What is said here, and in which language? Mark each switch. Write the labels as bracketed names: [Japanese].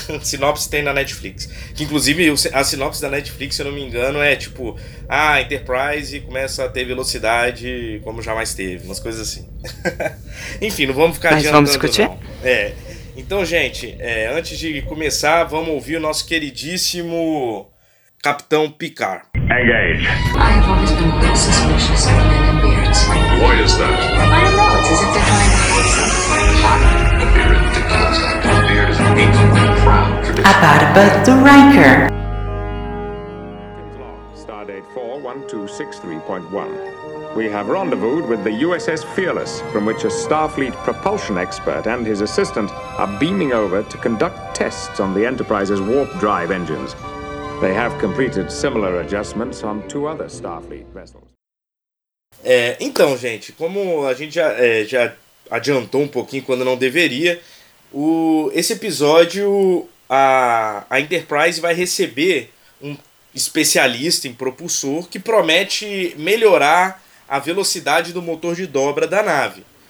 [Portuguese] Sinopse tem na Netflix. Que, inclusive, a sinopse da Netflix, se eu não me engano, é tipo... Ah, Enterprise começa a ter velocidade como jamais teve, umas coisas assim. Enfim, não vamos ficar mas adiantando. Mas vamos discutir? Não. É. Então, gente, antes de começar, vamos ouvir o nosso queridíssimo Capitão Picard. [English] Engage. I have always been suspicious of men in beards. What is that? I don't know. It's as if they're hiding [Portuguese] a barba do Riker. [English] Stardate 41263.1. We have rendezvoused with the USS Fearless, from which a Starfleet propulsion expert and his assistant are beaming over to conduct tests on the Enterprise's warp drive engines. They have completed similar adjustments on two other Starfleet vessels. [Portuguese] Então, gente, como a gente já adiantou um pouquinho quando não deveria, esse episódio a Enterprise vai receber um especialista em propulsor que promete melhorar a velocidade do motor de dobra da nave.